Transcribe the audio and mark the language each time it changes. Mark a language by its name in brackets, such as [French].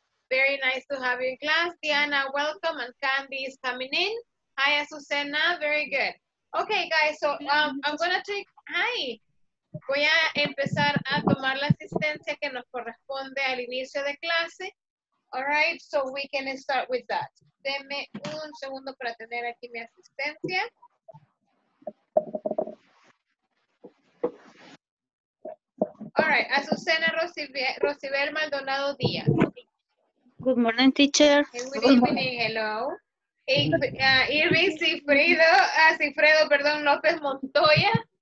[English] Very nice to have you in class. Diana, welcome. And Candy is coming in. Hi, Azucena. Very good. Okay, guys, so I'm going to take... Hi. [Spanish] Voy a empezar a tomar la asistencia que nos corresponde al inicio de clase. [English] All right, so we can start with that. [Spanish] Deme un segundo para tener aquí mi asistencia. [English] All right, Azucena Rosibel Maldonado Díaz. Good morning, teacher. Hey, good evening, hello. Irving Cifredo, López Montoya.